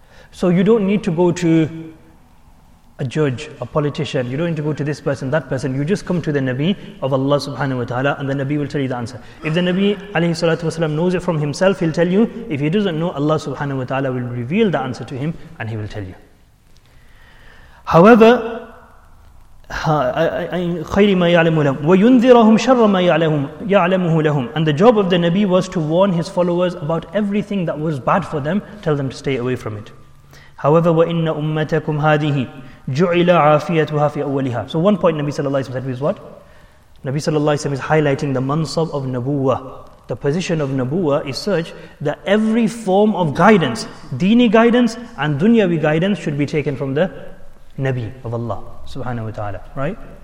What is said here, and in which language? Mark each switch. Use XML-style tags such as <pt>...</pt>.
<en>So you don't need to go to a judge, a politician, you don't need to go to this person, that person, you just come to the Nabi of Allah subhanahu wa ta'ala and the Nabi will tell you the answer. If the Nabi alayhi salatu wasalam knows it from himself, he'll tell you. If he doesn't know, Allah subhanahu wa ta'ala will reveal the answer to him and he will tell you. However,</en> <ar>وَيُنذِرَهُمْ شَرَّ مَا يَعْلَمُهُ لَهُمْ.</ar> <en>And the job of the Nabi was to warn his followers about everything that was bad for them, tell them to stay away from it. However,</en> <ar>وَإِنَّ أُمَّتَكُمْ هَذِهِ جُعِلَ عَافِيَتُهَا فِي أَوَّلِهَا.</ar> <en>So one point Nabi sallallahu alayhi wa sallam said was what? Nabi sallallahu alayhi wa sallam is highlighting the mansab of nabuwah. The position of nabuwah is such that every form of guidance, dini guidance and dunyawi guidance, should be taken from the Nabi of Allah subhanahu wa ta'ala. Right?</en>